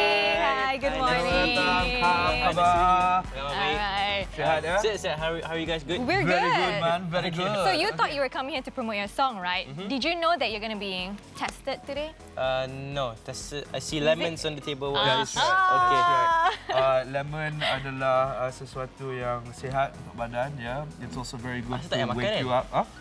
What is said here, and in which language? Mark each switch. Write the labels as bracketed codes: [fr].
[en] Good morning. Hi, good morning. [ms] Selamat datang. Apa khabar? Sihat ya? Sihat. [en] How are you guys? Good? We're good. Very good, man. Very good. So you thought you were coming here to promote your song, right? Mm-hmm. Did you know that you're going to be tested today? No. I see lemons on the table. Yes. Okay. [ms] Lemon adalah sesuatu yang sihat untuk badan. [en] Yeah. It's also very good to wake you up.